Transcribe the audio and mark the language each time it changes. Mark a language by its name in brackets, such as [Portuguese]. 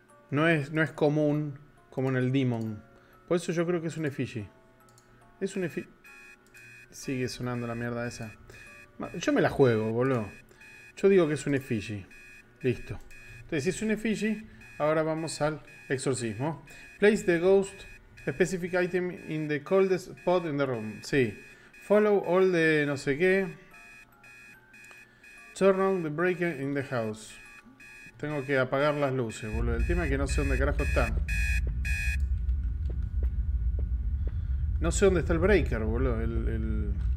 [Spanish] No es común como en el demon. Por eso yo creo que es un effigy. Es un effigy. Sigue sonando la mierda esa. Yo me la juego, boludo. Yo digo que es un effigy. Listo. Entonces, si es un effigy, ahora vamos al exorcismo. [English] Place the ghost specific item in the coldest spot in the room. Sí. Follow all the [Spanish] no sé qué. [English] Turn on the breaker in the house. [Spanish] Tengo que apagar las luces, boludo. El tema es que no sé dónde carajo está. No sé dónde está el breaker, boludo. El...